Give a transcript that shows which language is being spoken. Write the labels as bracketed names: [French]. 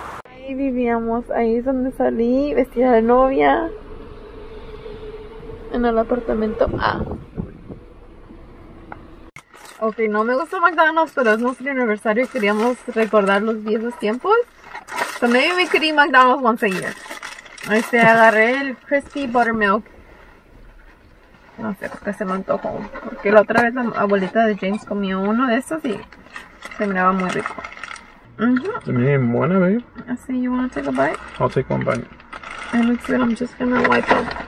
[Spanish] Ahí vivíamos, ahí es donde salí vestida de novia. En el apartamento A. Ok, no me gusta McDonald's, pero es nuestro aniversario y queríamos recordar los viejos tiempos. [English] So maybe we could eat McDonald's once a year. [Spanish] Agarré el crispy buttermilk. No sé, porque se me antojó. Porque la otra vez la abuelita de James comió uno de esos y se miraba muy rico. Mmm, buena, babe. Así, [English] you want to take a bite? I'll take one bite. It looks good, I'm just gonna wipe off.